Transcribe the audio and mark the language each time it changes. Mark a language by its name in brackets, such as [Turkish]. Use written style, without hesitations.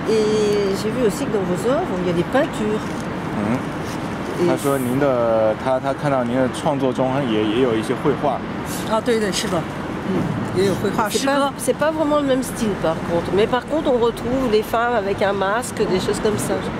[French] Et j'ai vu aussi que dans vos œuvres, il y a des peintures. [Chinese] 他说您的他看到您的创作中也有一些绘画。啊，对对，是的。也有绘画师。 [French] C'est pas vraiment le même style, par contre. Mais par contre, on retrouve les femmes avec un masque, des choses comme ça.